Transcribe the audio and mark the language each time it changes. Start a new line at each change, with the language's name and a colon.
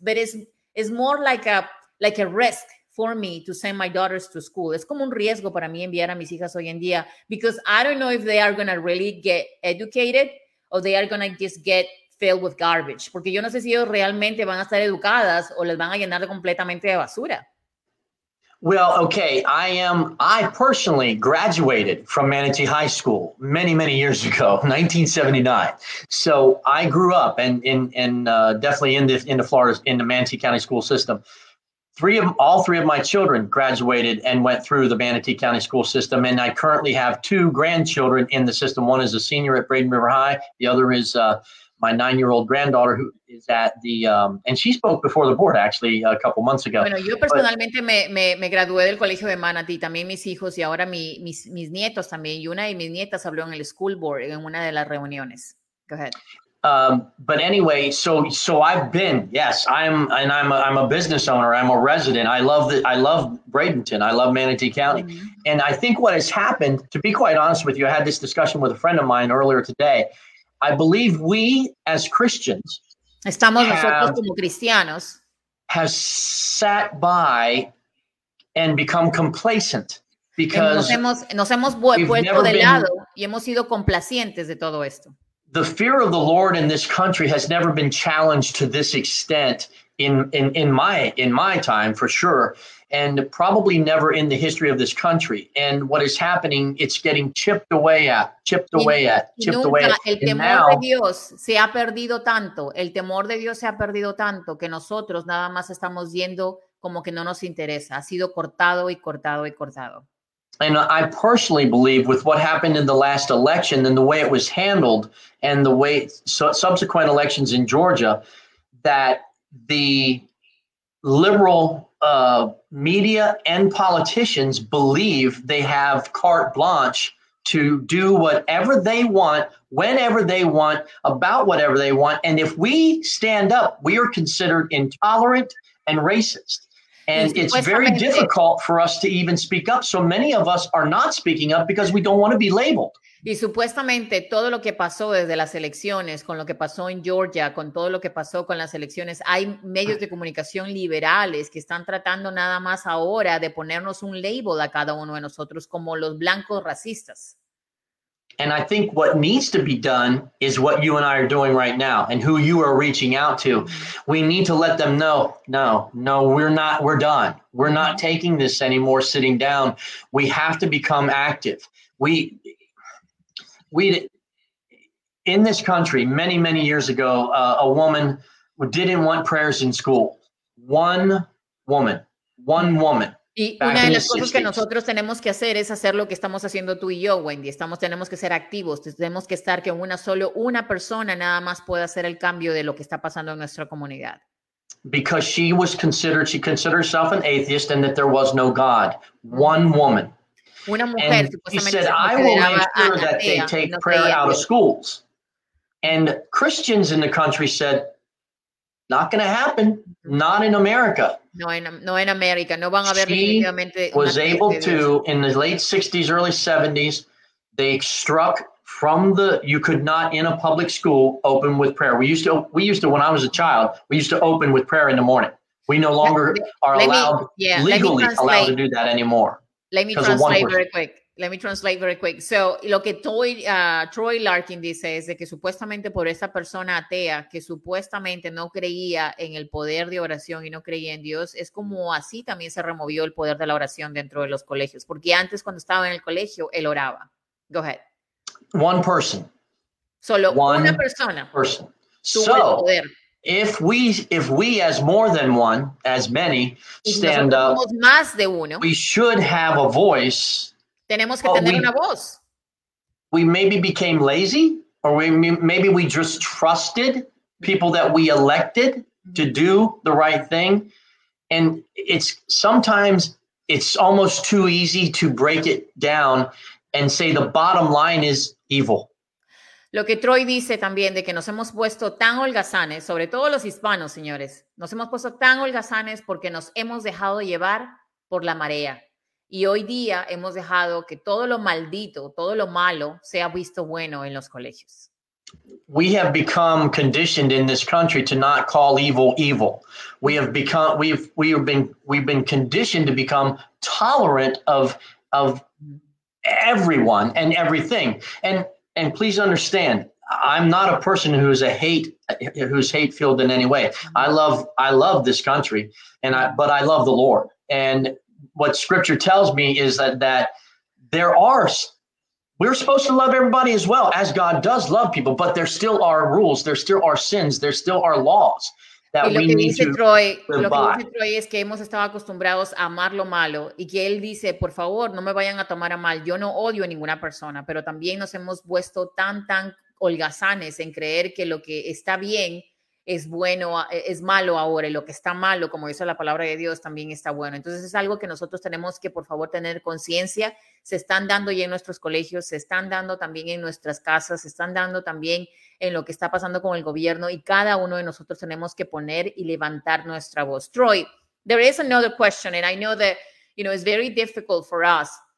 English: But it's more like a risk for me to send my daughters to school.
Spanish: Es como un riesgo para mí enviar a mis hijas hoy en día
English: because I don't know if they are going to really get educated or they are going to just get filled with garbage.
Spanish: Porque yo no sé si ellos realmente van a estar educadas o les van a llenar completamente de basura.
English: Well, okay, I personally graduated from Manatee High School many, many years ago, 1979. So I grew up definitely in the Manatee County school system. All three of my children graduated and went through the Manatee County school system. And I currently have two grandchildren in the system. One is a senior at Braden River High. The other is my 9-year-old granddaughter who is at the and she spoke before the board actually a couple months ago.
Spanish: Bueno, yo personalmente me gradué del colegio de Manatee, también mis hijos y ahora mis nietos también, y una de mis nietas habló en el school board en una de las reuniones.
English: Go ahead. But anyway, so I've been, yes, I'm a business owner, I'm a resident. I love Bradenton. I love Manatee County. Mm-hmm. And I think what has happened, to be quite honest with you, I had this discussion with a friend of mine earlier today. I believe we as Christians have sat by and become complacent because we've never been complacent. The fear of the Lord in this country has never been challenged to this extent in my time for sure, and probably never in the history of this country. And what is happening, it's getting chipped away at.
Spanish: El temor de Dios se ha perdido tanto, el temor de Dios se ha perdido tanto que nosotros nada más estamos viendo como que no nos interesa, ha sido cortado y cortado y cortado.
English: And I personally believe with what happened in the last election and the way it was handled and the way subsequent elections in Georgia, that the liberal media and politicians believe they have carte blanche to do whatever they want, whenever they want, about whatever they want. And if we stand up, we are considered intolerant and racist. And it's very difficult for us to even speak up. So many of us are not speaking up because we don't want to be labeled.
Spanish: Y supuestamente todo lo que pasó desde las elecciones, con lo que pasó en Georgia, con todo lo que pasó con las elecciones, hay medios de comunicación liberales que están tratando nada más ahora de ponernos un label a cada uno de nosotros como los blancos racistas.
English: And I think what needs to be done is what you and I are doing right now and who you are reaching out to. We need to let them know, no, we're not, we're done. We're not taking this anymore sitting down. We have to become active. We in this country, many, many years ago, a woman didn't want prayers in school. One woman.
Spanish: Y una de las cosas que nosotros tenemos que hacer es hacer lo que estamos haciendo tú y yo, Wendy. Tenemos que ser activos. Tenemos que estar que solo una persona nada más pueda hacer el cambio de lo que está pasando en nuestra comunidad.
English: Because she considered herself an atheist and that there was no God. One woman.
Spanish: Una mujer.
English: And she said, I will make sure that they take prayer out of schools. And Christians in the country said, not going to happen. Not in America.
Spanish: No, en América. No van a ver.
English: In the late 60s, early 70s, they struck from you could not in a public school open with prayer. We used to, when I was a child, we used to open with prayer in the morning. We no longer are legally allowed to do that anymore. Let me translate very quick.
Spanish: So, lo que Troy Larkin dice es de que supuestamente por esa persona atea que supuestamente no creía en el poder de oración y no creía en Dios, es como así también se removió el poder de la oración dentro de los colegios. Porque antes, cuando estaba en el colegio, él oraba.
English: Go ahead. One person.
Spanish: Solo
English: one
Spanish: una persona.
English: Person.
Spanish: Tuvo
English: so,
Spanish: el poder.
English: If we as more than one, as many, stand up,
Spanish: más de uno,
English: we should have a voice.
Spanish: Tenemos que tener una voz.
English: We maybe became lazy, or maybe we just trusted people that we elected to do the right thing. And sometimes it's almost too easy to break it down and say the bottom line is evil.
Spanish: Lo que Troy dice también de que nos hemos puesto tan holgazanes, sobre todo los hispanos, señores, nos hemos puesto tan holgazanes porque nos hemos dejado llevar por la marea. Y hoy día hemos dejado que todo lo maldito, todo lo malo, sea visto bueno en los colegios.
English: We have become conditioned in this country to not call evil evil. We've been conditioned to become tolerant of everyone and everything. And please understand, I'm not a person who's hate filled in any way. I love this country, but I love the Lord. And what scripture tells me is that there are, we're supposed to love everybody as well, as God does love people, but there still are rules, there still are sins, there still are laws that we need to live by.
Spanish: Lo que dice Troy, es que hemos estado acostumbrados a amar lo malo, y que él dice, por favor, no me vayan a tomar a mal, yo no odio a ninguna persona, pero también nos hemos puesto tan holgazanes en creer que lo que está bien es bueno, es malo ahora, y lo que está malo, como dice la palabra de Dios, también está bueno. Entonces es algo que nosotros tenemos que, por favor, tener conciencia. Se están dando ya en nuestros colegios, se están dando también en nuestras casas, se están dando también en lo que está pasando con el gobierno, y cada uno de nosotros tenemos que poner y levantar nuestra voz.
English: Troy, there is another question, and I know that, you know, it's very difficult for us.